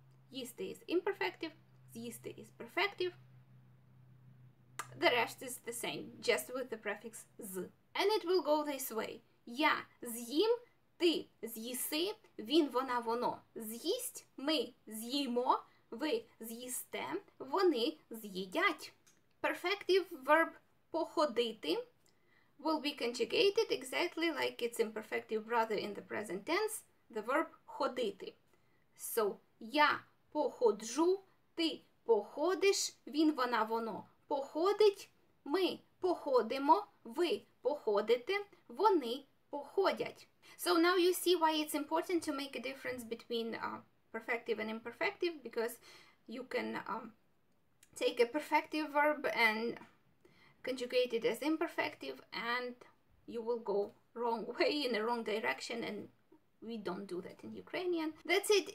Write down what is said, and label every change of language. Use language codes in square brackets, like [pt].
[en] З'їсти is imperfective. З'їсти is perfective. The rest is the same, just with the prefix «з». And it will go this way. [uk] Я з'їм, ти з'їси, він, вона, воно з'їсть, ми з'їмо, ви з'їсте, вони з'їдять. [en] Perfective verb [uk] «походити» [en] will be conjugated exactly like its imperfective brother in the present tense, the verb ходити. [uk] So, я походжу, ти походиш, він, вона, воно походить, ми походимо, ви походите, вони походять. [en] So now you see why it's important to make a difference between perfective and imperfective, because you can take a perfective verb and conjugate it as imperfective and you will go wrong way in the wrong direction, and we don't do that in Ukrainian. That's it.